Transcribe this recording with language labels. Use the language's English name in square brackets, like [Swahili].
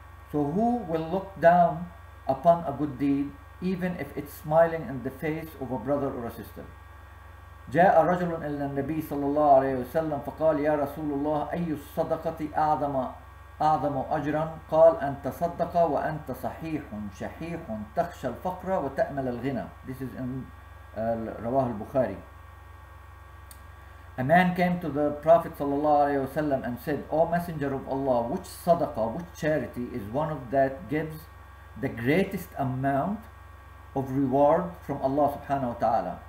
[English] So who will look down upon a good deed, even if it's smiling in the face of a brother or a sister? [Arabic] جاء رجل إلى النبي صلى الله عليه وسلم فقال يا رسول الله أي الصدقة أعظم أجرا قال أن تصدق وأنت صحيح شحيح تخشى الفقر وتأمل الغنى. [English] This is in [Arabic] رواه البخاري. [English] A man came to the Prophet صلى الله عليه وسلم and said, O Messenger of Allah, which sadaqah, which charity is one of that gives the greatest amount of reward from Allah subhanahu wa ta'ala?